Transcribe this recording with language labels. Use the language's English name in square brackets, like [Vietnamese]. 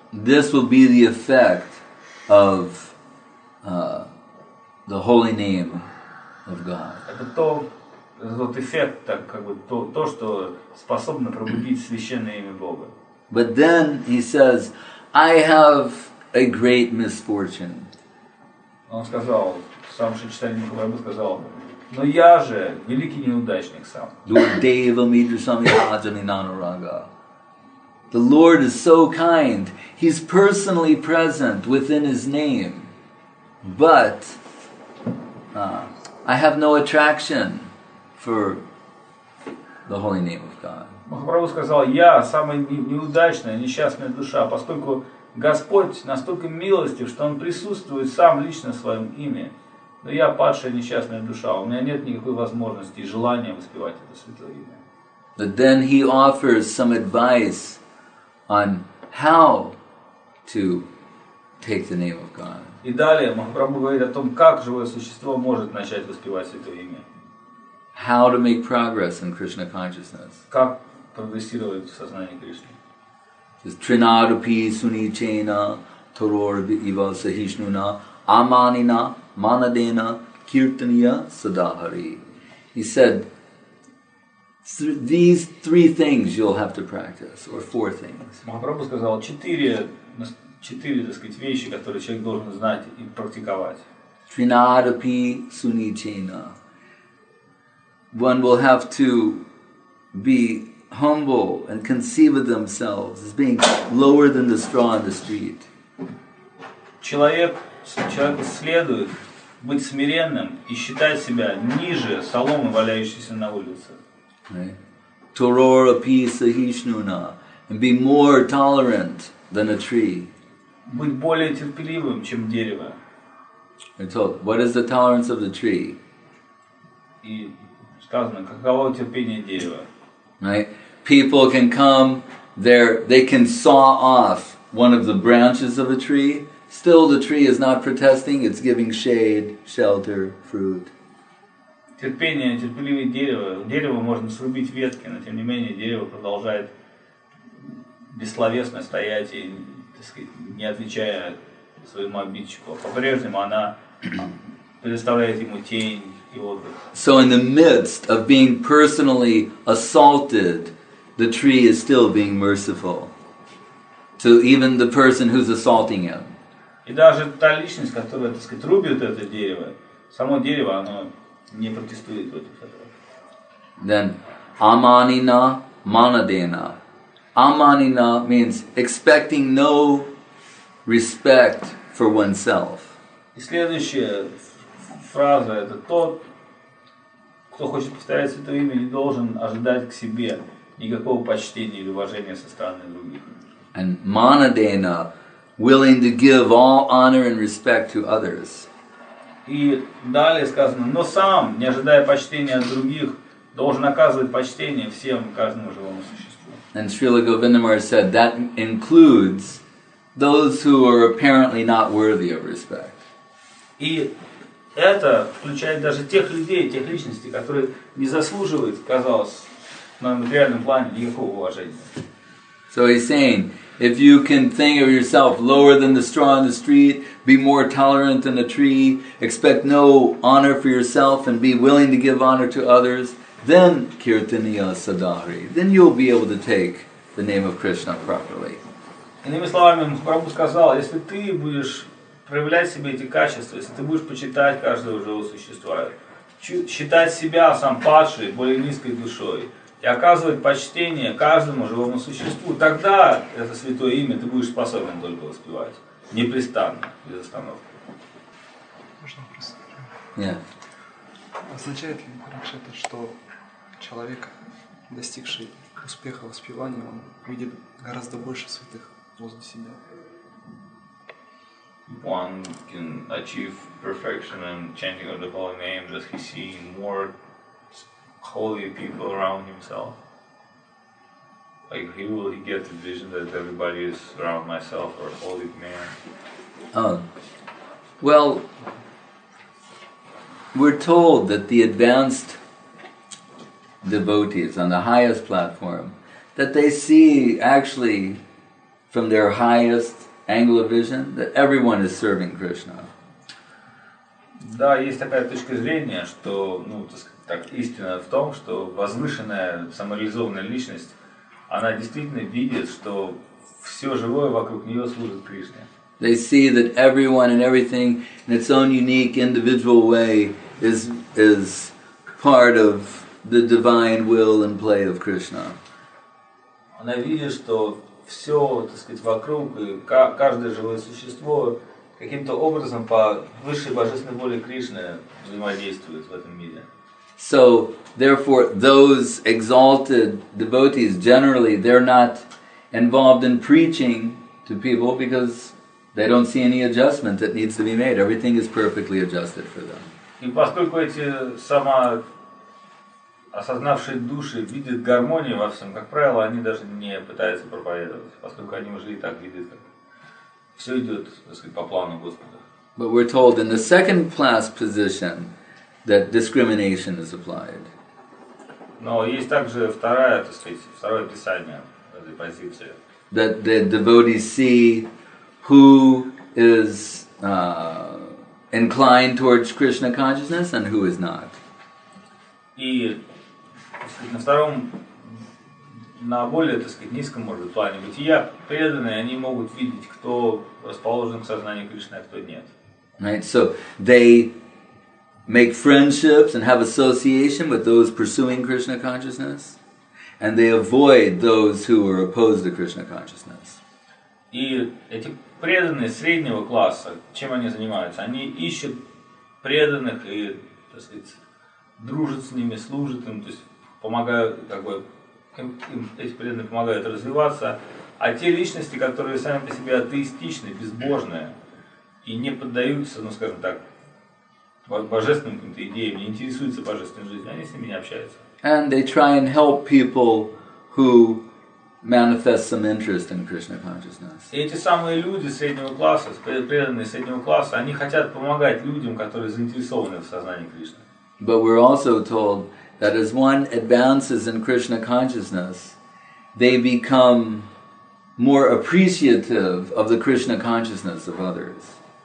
[English] This will be the effect of the holy name of God. [Russian] Это тот эффект, так как бы то, что способно пробудить священное имя Бога. [English] But then he says, I have a great misfortune. [Russian] Он сказал, сам же читатель Махабхарабу сказал, но я же великий неудачник сам. [Sanskrit] Дурдева Мидрусами Аджами Нанурага. [English] The Lord is so kind. He's personally present within his name. But I have no attraction for the holy name of God. [Russian] Махапрабху сказал, я самая неудачная, несчастная душа, поскольку Господь настолько милостив, что Он присутствует сам лично в Своем имя. Но я падшая несчастная душа, у меня нет никакой возможности и желания воспевать это святое имя. [English] But then he offers some advice on how to take the name of God. [Russian] И далее Махапрабху говорит о том, как живое существо может начать воспевать святое имя. [English] How to make progress in Krishna consciousness. [Russian] Как прогрессировать в сознании Кришны. [Sanskrit] Trinadupi sunichena toror iva sahishnuna amanina manadena kirtaniya sadahari. [English] He said, These three things you'll have to practice, or four things. [Russian] Махапрабху сказал четыре, так сказать, вещи, которые человек должен знать и практиковать. [Sanskrit] Trinadapi sunichena. [English] One will have to be humble and conceive of themselves as being lower than the straw on the street. [Russian] Человек следует быть смиренным и считать себя ниже соломы, валяющейся на улице. [Sanskrit] Tororapi sahishnuna, [English] and be more tolerant than a tree. [Russian] Быть более терпеливым, чем дерево. [English] And so, what is the tolerance of the tree? [Russian] И сказано, каково терпение дерева? [English] Right? People can come there, they can saw off one of the branches of a tree. Still the tree is not protesting, it's giving shade, shelter, fruit. [Russian] Терпеливое дерево. Дерево можно срубить ветки, но тем не менее дерево продолжает бессловесно стоять и, так сказать, не отвечая своему обидчику. По-прежнему она предоставляет ему тень и отдых. [English] So in the midst of being personally assaulted, the tree is still being merciful to even the person who's assaulting him. [Russian] И даже та личность, которая, так сказать, рубит это дерево, само дерево, оно не протестует против этого. [English] Then, [Sanskrit] amanina manadena. Amanina [English] means expecting no respect for oneself. [Russian] И следующая фраза – это тот, кто хочет повторять это имя, не должен ожидать к себе никакого почтения или уважения со стороны других. [English] And manadena – willing to give all honor and respect to others. [Russian] И далее сказано, но сам, не ожидая почтения от других, должен оказывать почтение всем, каждому живому существу. [English] And Srila Govindamar said that includes those who are apparently not worthy of respect. [Russian] И это включает даже тех людей, тех личностей, которые не заслуживают, казалось, на материальном плане никакого уважения. [English] So he's saying, if you can think of yourself lower than the straw on the street, be more tolerant than a tree, expect no honor for yourself, and be willing to give honor to others, then [Sanskrit] kirtaniya sadhari, [English] then you'll be able to take the name of Krishna properly. [Russian] Иными словами, Махапрабху сказал, если ты будешь проявлять в себе эти качества, если ты будешь почитать каждого живого существа, считать себя сам падшей, более низкой душой, и оказывать почтение каждому живому существу, тогда это святое имя ты будешь способен только воспевать. Непрестанно, без остановки. Можно вопрос? Нет. Означает ли Куракшетра, что человек, достигший успеха воспевания, он видит гораздо больше святых возле себя? [English] One can achieve perfection in chanting of the holy name, does he see more holy people around himself. Like, he will he get the vision that everybody is around myself or holy man? Well, we're told that the advanced devotees on the highest platform, that they see actually from their highest angle of vision that everyone is serving Krishna. [Russian] Да, есть такая точка зрения, что, ну, так сказать, так, истина в том, что возвышенная самореализованная личность, она действительно видит, что все живое вокруг нее служит Кришне. [English] They see that everyone and everything in its own unique individual way is part of the divine will and play of Krishna. [Russian] Она видит, что все, так сказать, вокруг, и каждое живое существо каким-то образом по высшей божественной воле Кришны взаимодействует в этом мире. [English] So, therefore, those exalted devotees, generally, they're not involved in preaching to people because they don't see any adjustment that needs to be made. Everything is perfectly adjusted for them. [Russian] И поскольку эти самоосознавшие души видят гармонию во всем, как правило, они даже не пытаются проповедовать, поскольку они уже и так видят, как все идет, так сказать, по плану Господа. [English] But we're told in the second class position, that discrimination is applied. [Russian] Но есть также вторая, так сказать, второе описание этой позиции. [English] That the devotees see who is inclined towards Krishna consciousness and who is not. [Russian] И на втором, на более, так сказать, низком, может, плане бытия, преданные, они могут видеть, кто расположен к сознанию Кришны, а кто нет. [English] Right, so they make friendships and have association with those pursuing Krishna consciousness, and they avoid those who are opposed to Krishna consciousness. [Russian] И эти преданные среднего класса, чем они занимаются? Они ищут преданных и, так сказать, дружат с ними, служат им, то есть помогают, как бы, им эти преданные помогают развиваться. А те личности, которые сами по себе атеистичны, безбожные, и не поддаются, ну, скажем так, божественным каким-то идеям, не интересуются божественной жизнью, они с ними не общаются. [English] And they try and help people who manifest some interest in Krishna consciousness. [Russian] И эти самые люди среднего класса, преданные среднего класса, они хотят помогать людям, которые заинтересованы в сознании Кришны. [English] But we're also told that as one advances in Krishna consciousness, they become more appreciative of the Krishna consciousness of others.